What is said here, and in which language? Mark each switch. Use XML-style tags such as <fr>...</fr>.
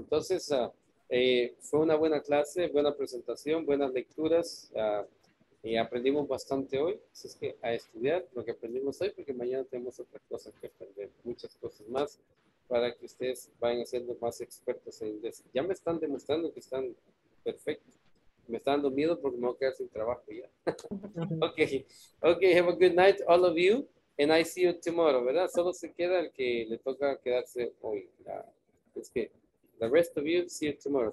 <es>Entonces, fue una buena clase, buena presentación, buenas lecturas, y aprendimos bastante hoy, así es que a estudiar lo que aprendimos hoy, porque mañana tenemos otras cosas que aprender, muchas cosas más, para que ustedes vayan siendo más expertos en inglés. Ya me están demostrando que están perfectos. Me está dando miedo porque me voy a quedar sin trabajo ya.</es> <en>Okay, have a good night, all of you. And I see you tomorrow, ¿verdad?</en> <es>Solo se queda el que le toca quedarse hoy. Es que</es> <en>the rest of you, see you tomorrow.</en>